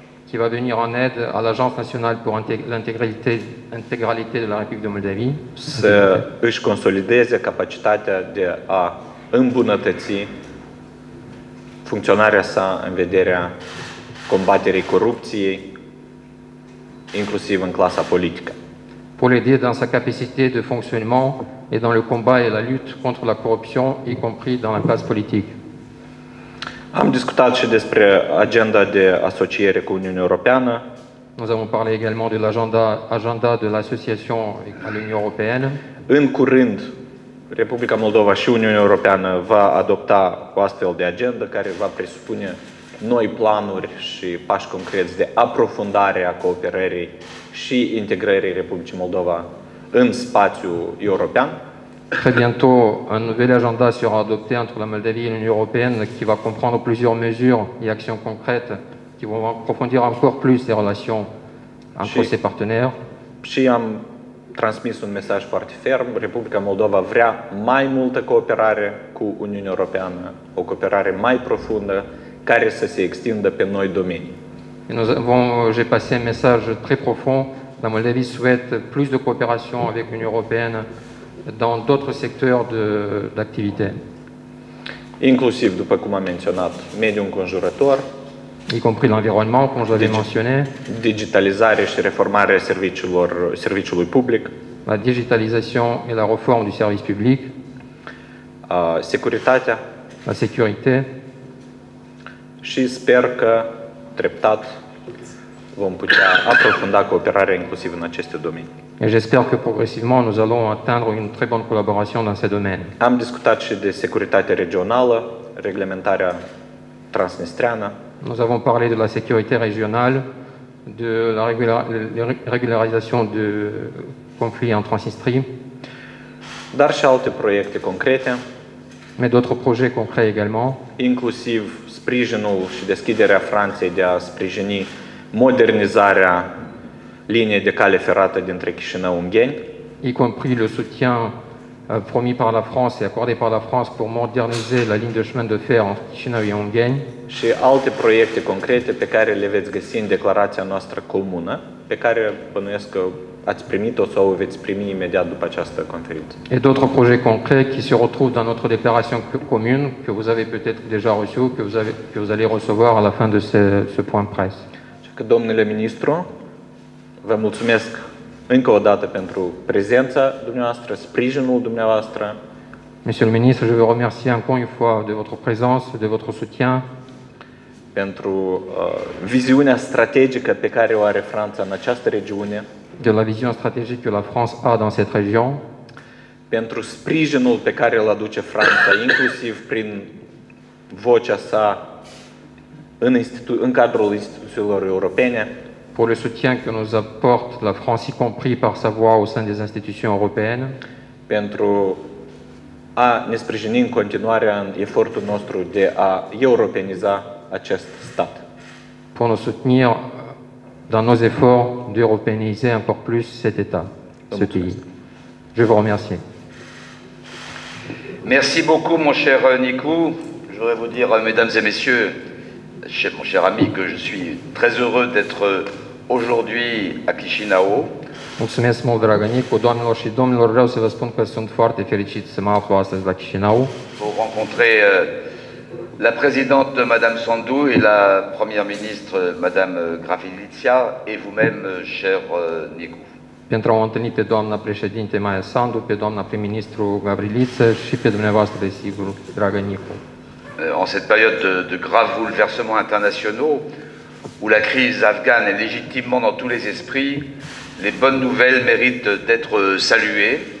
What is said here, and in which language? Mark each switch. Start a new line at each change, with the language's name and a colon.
French: Qui va venir en aide à l'Agence Nationale pour l'Intégralité de la République de Moldavie.
Romanian: Să își consolideze capacitatea de a îmbunătăți funcționarea sa în vederea combaterii corupției, inclusiv în clasa politică.
French: Pour l'aider dans sa capacité de fonctionnement et dans le combat et la lutte contre la corruption, y compris dans l'impasse politique.
Romanian: Am discutat și despre agenda de asociere cu Uniunea Europeană.
French: Nous avons parlé également de l'agenda de l'association avec l'Union européenne.
Romanian: În curând, Republica Moldova și Uniunea Europeană va adopta o astfel de agendă care va presupune noi planuri și pași concreți de aprofundare a cooperării și integrării Republicii Moldova în spațiul european.
French: Très bientôt, un nouvel agenda sera adopté entre la Moldavie et l'Union européenne qui va comprendre plusieurs mesures et actions concrètes qui vont approfondir encore plus les relations entre ses partenaires.
Romanian: Și am transmis un mesaj foarte ferm. Republica Moldova vrea mai multă cooperare cu Uniunea Europeană, o cooperare mai profundă care să se extindă pe noi domenii.
French: J'ai passé un message très profond. La Moldavie souhaite plus de coopération avec l'Union européenne dans d'autres secteurs d'activité.
Romanian: Inclusiv, după cum am menționat, mediul înconjurător,
French: y compris l'environnement, comme je l'avais mentionné.
Romanian: Digitalizare și reformarea serviciului public.
French: La digitalisation et la réforme du service public.
Romanian: Securitatea.
French: La sécurité.
Romanian: Și sper că treptat vom putea aprofunda cooperarea inclusiv în aceste domenii.
French: Et j'espère que progressivement nous allons atteindre une très bonne collaboration dans ces domaines.
Romanian: Am discutat și de securitate regională, reglementarea transnistreană.
French: Nous avons parlé de la sécurité régionale, de la régularisation de conflits en Transnistrie.
Romanian: Dar și alte proiecte concrete.
French: Mais d'autres projets concrets également.
Romanian: Inclusiv sprijinul și deschiderea Franței de a sprijini modernizarea liniei de cale ferată dintre Chișinău Ungheni.
French: Y compris le soutien promis par la France et accordé par la France pour moderniser la ligne de chemin de fer entre Chișinău et Ungheni.
Romanian: Și alte proiecte concrete pe care le veți găsi în declarația noastră comună, pe care bănuiesc că ați primit-o sau o veți primi imediat după această conferință.
French: Et d'autres projets concrets qui se retrouvent dans notre déclaration commune que vous avez peut-être déjà reçu, que vous allez recevoir à la fin de ce point presse.
Romanian: Că, domnule ministru, vă mulțumesc încă o dată pentru prezența dumneavoastră, sprijinul dumneavoastră.
French: Monsieur le ministre, je vous remercie encore une fois de votre présence, de votre soutien.
Romanian: Pentru viziunea strategică pe care o are Franța în această regiune.
French: De la vision stratégique que la France a dans cette région.
Romanian: Pentru sprijinul pe care îl aduce Franța, inclusiv prin vocea sa în cadrul instituțiilor europene.
French: Pour le soutien que nous apporte la France, y compris par sa voix au sein des institutions européennes.
Romanian: Pentru a ne sprijini în continuare în efortul nostru de a europeniza acest stat.
French: Pour nous soutenir dans nos efforts d'européaniser encore plus cet État, ce pays. Je vous remercie. Merci beaucoup, mon cher Nicou. Je voudrais vous dire, mesdames et messieurs, mon cher ami, que je suis très heureux d'être aujourd'hui à Chișinău.
Romanian: Mulțumesc mult, dragă Nicu. Doamnelor și domnilor, vreau să vă spun că sunt foarte fericit să mă aflu astăzi la Chișinău.
French: Pour rencontrer la présidente madame Sandu et la première ministre madame Gravilitsia et vous-même cher Nicu.
Romanian: Pentru a o întâlni pe doamna președinte Maia Sandu, pe doamna prim-ministru Gavriliță și pe dumneavoastră, desigur, dragă Nicu.
French: En cette période de graves bouleversements internationaux où la crise afghane est légitimement dans tous les esprits, les bonnes nouvelles méritent d'être saluées.